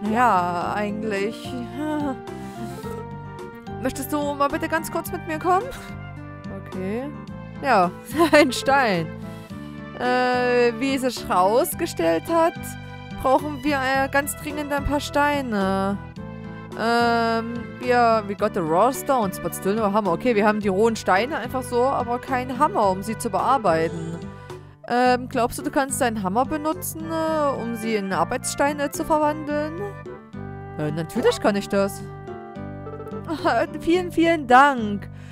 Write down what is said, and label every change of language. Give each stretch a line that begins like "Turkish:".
German: Naja, eigentlich. Möchtest du mal bitte ganz kurz mit mir kommen? Okay. Ja, ein Stein. Wie es sich rausgestellt hat, brauchen wir ganz dringend ein paar Steine.
English: We got the raw stones, but still no hammer.
German: Okay, wir haben die rohen Steine einfach so, aber keinen Hammer, um sie zu bearbeiten. Glaubst du, du kannst deinen Hammer benutzen, um sie in Arbeitssteine zu verwandeln? Natürlich kann ich das. Vielen, vielen Dank.